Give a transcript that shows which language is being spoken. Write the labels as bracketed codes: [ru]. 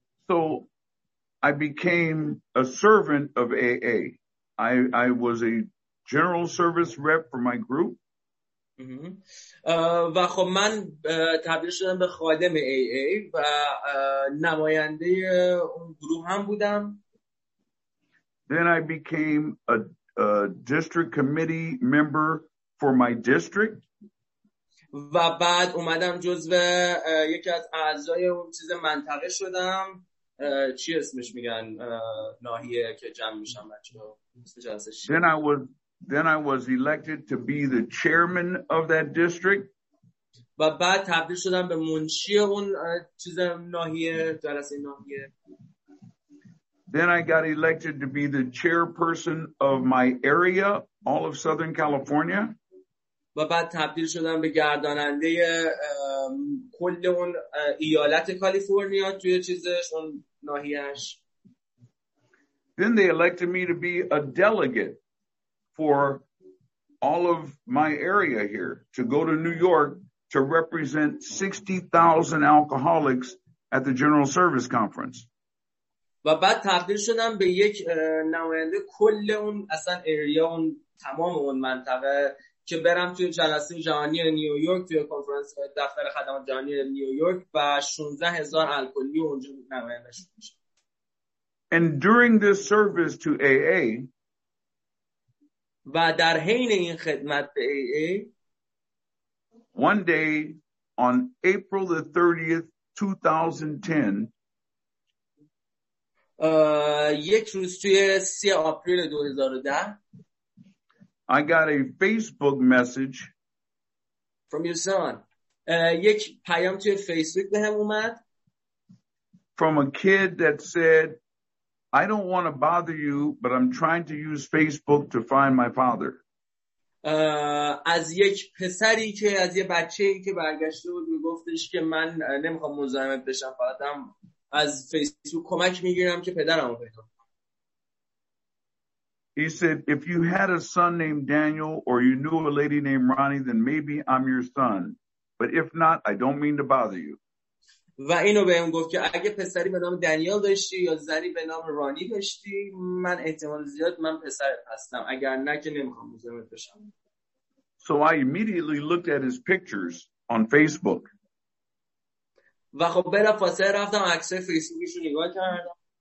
[en] So I became a servant of AA. I was a general service rep for my group. [fa] و خب من تبدیل شدم به خادم AA و نماینده اون گروه هم بودم. [en] Then I became a district committee member for my district. [fa] و بعد اومدم جزو یکی از اعضای اون چیز منطقه شدم. چی اسمش میگن ناحیه که جمع میشم بچه‌ها مثل جلسه شد. [en] Then I was elected to be the chairman of that district. [fa] و بعد تبدیل شدم به منشی اون چیز ناحیه جلسه ناحیه. [en] Then I got elected to be the chairperson of my area, all of Southern California. [fa] و بعد تبدیل شدم به گرداننده کل اون ایالت کالیفرنیا توی چیزش اون ناحیه‌اش. [en] Then they elected me to be a delegate for all of my area here to go to New York to represent 60,000 alcoholics at the General Service Conference. [fa] و بعد تبدیل شدم به یک نماینده کل اون اصلا ایریا اون تمام اون منطقه که برم توی جلسه جهانی نیویورک توی کنفرانس دفتر خدمات جهانی نیویورک و 16,000 الکلی اونجا نماینده شدم. [en] And during this service to AA [fa] و در حین این خدمت به AA [en] one day on April the 30th 2010 [fa] یک روز توی 3 آپریل 2010 [en] I got a Facebook message from your son. [fa] یک پیام توی فیسبوک بهم اومد [en] from a kid that said I don't want to bother you but I'm trying to use Facebook to find my father. [fa] از یک پسری که از یه بچه‌ای که برگشته بود میگفتش که من نمیخوام مزاحمت بشم فقط هم از فیسبوک کمک میگیرم که پدرمو پیدا کنم. [en] He said if you had a son named Daniel or you knew a lady named Ronnie then maybe I'm your son but if not I don't mean to bother you. [fa] و اینو بهم گفت که اگه پسری به نام دانیل داشتی یا زنی به نام رانی داشتی من احتمال زیاد من پسر هستم اگر نه که نمیخوام مزاحمت بشم. [en] So I immediately looked at his pictures on Facebook. [fa] و خب بلا فاصله رفتم عکسای فیسبوکش رو نگاه کردم.